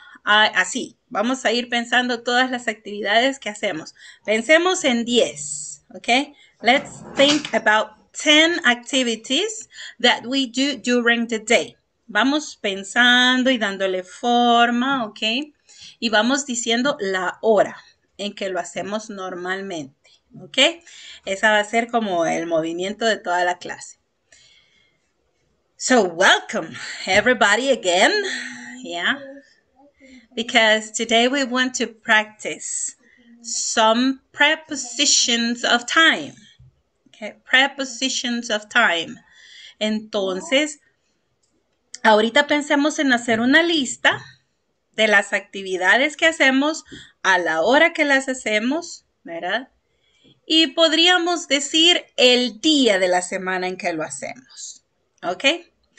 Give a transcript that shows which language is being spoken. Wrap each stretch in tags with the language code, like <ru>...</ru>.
<es>Así, vamos a ir pensando todas las actividades que hacemos. Pensemos en 10, okay?</es> <en>Let's think about 10 activities that we do during the day.</en> <es>Vamos pensando y dándole forma, ¿ok? Y vamos diciendo la hora en que lo hacemos normalmente, ¿ok? Esa va a ser como el movimiento de toda la clase.</es> <en>So, welcome, everybody, again. Yeah. Because today we want to practice some prepositions of time. Prepositions of time.</en> <es>Entonces, ahorita pensemos en hacer una lista de las actividades que hacemos a la hora que las hacemos, ¿verdad? Y podríamos decir el día de la semana en que lo hacemos. ¿Ok?</es>